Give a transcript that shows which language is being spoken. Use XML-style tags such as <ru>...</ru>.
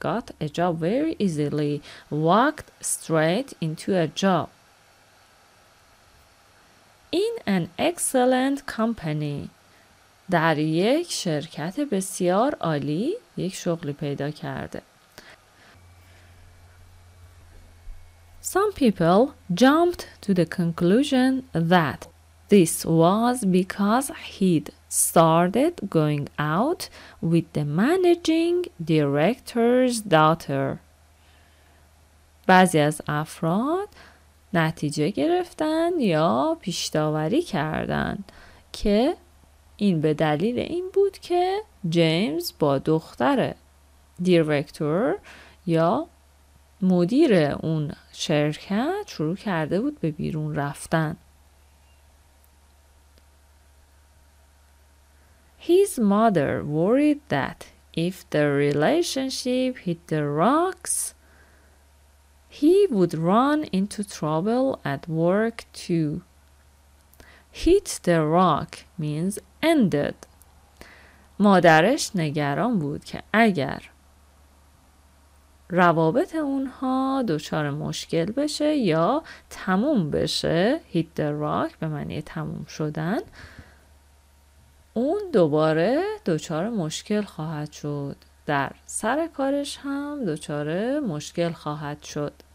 <en>got a job very easily، walked straight into a job in an excellent company،</en> <fa>در یک شرکت بسیار عالی یک شغلی پیدا کرده.</fa> <en>Some people jumped to the conclusion that this was because he'd started going out with the managing director's daughter.</en> <fa>بعضی از افراد نتیجه گرفتن یا پیش‌داوری کردن که این به دلیل این بود که جیمز با دختر دایرکتور یا مدیر اون شرکت شروع کرده بود به بیرون رفتن.</fa> <en>His mother worried that if the relationship hit the rocks, he would run into trouble at work too. Hit the rock means ended.</en> <fa>مادرش نگران بود که اگر روابط اونها دچار مشکل بشه یا تموم بشه، hit the rock به معنی تموم شدن، اون دوباره دچار مشکل خواهد شد، در سر کارش هم دچار مشکل خواهد شد.</fa>